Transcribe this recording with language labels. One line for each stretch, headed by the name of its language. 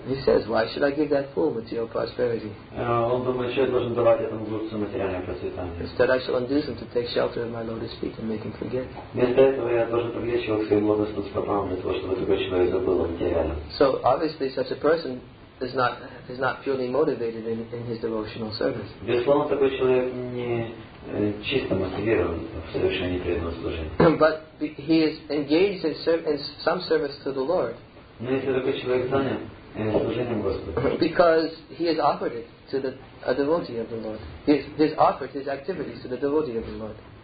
English: He says, why should I give that fool material prosperity?
Russian: Он думает, что я должен давать этому глупцу материальное процветание.
English: Instead, I shall induce him to take shelter of my lotus feet and make him forget.
Russian: Вместо этого я должен привлечь его к своим лотосным стопам для того, чтобы такой человек забыл о материальном.
English: So obviously, such a person is not purely motivated in his devotional service.
Russian: Безусловно, такой человек не чисто мотивирован в совершении преданного служения.
English: But he is engaged in some service to the Lord.
Russian: Но если такой человек занят служением Господу,
English: because he has offered it to a devotee of the Lord, he has offered his activities to the devotee of the Lord.